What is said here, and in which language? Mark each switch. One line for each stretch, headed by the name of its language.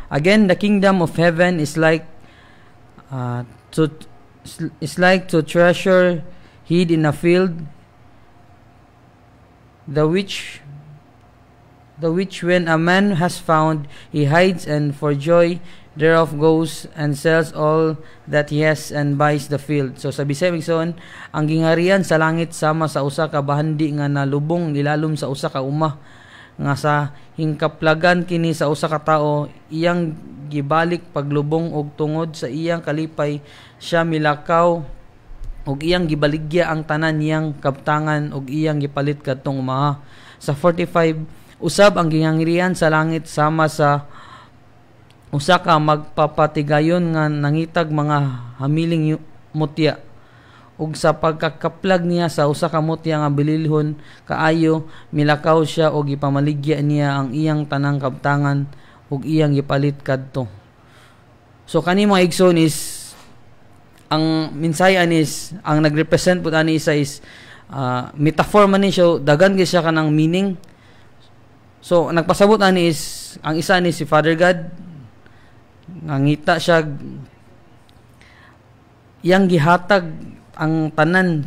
English: Again, the kingdom of heaven is like to treasure hid in a field, the which when a man has found, he hides, and for joy thereof goes and sells all that he has and buys the field.
Cebuano: So sabi sa Bisayon, ang gingharian sa langit sama sa usa ka bahandi nga nalubong ilalom sa usa ka uma nga sa hingkaplagan kini sa usa ka tao, iyang gibalik paglubong og tungod sa iyang kalipay siya milakaw og iyang gibaligya ang tanan niyang kaptangan og iyang gipalit kadtong umaha. Sa 45, usab ang gingangrian sa langit sama sa usa ka magpapatigayon nga nangitag mga hamiling mutya, ug sa pagkakaplag niya sa usa ka mutya nga bililhon kaayo, milakaw siya og ipamaligya niya ang iyang tanang kabtangan ug iyang ipalit kadto. So kani mga igsoon is ang minsay anis ang nagrepresent pud ani isa is metaphor man ni siya, dagan gyud siya kanang meaning. So nagpasabot ani is ang isa ni si Father God nangita siya iyang gihatag ang tanan.